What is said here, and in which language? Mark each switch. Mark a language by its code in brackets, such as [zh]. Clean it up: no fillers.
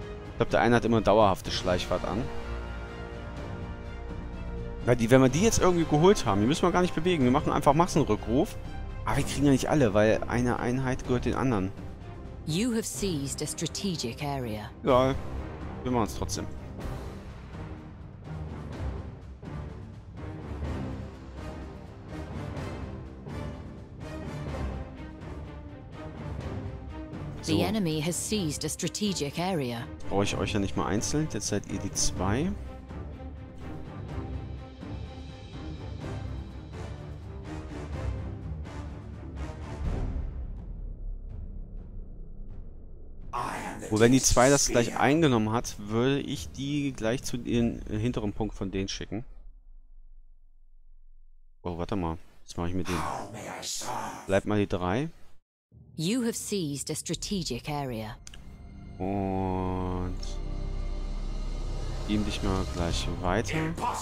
[de] Ich glaube, der eine hat immer dauerhafte Schleichfahrt an. Weil die, wenn wir die jetzt irgendwie geholt haben, die müssen wir gar nicht bewegen. Wir machen einfach Massenrückruf. Aber wir kriegen ja nicht alle, weil eine Einheit gehört den anderen. [en] You have seized a strategic area. [de] Egal. Wir machen es trotzdem. [en] The enemy has seized a strategic area. [de] Brauche ich euch ja nicht mal einzeln, jetzt seid ihr die zwei. Wo, wenn die zwei das gleich eingenommen hat, würde ich die gleich zu den hinteren Punkt von denen schicken. Oh, warte mal. Jetzt mache ich mit denen. Bleibt mal die drei. [en] You have seized a strategic area. [de] Und beam dich mal gleich weiter.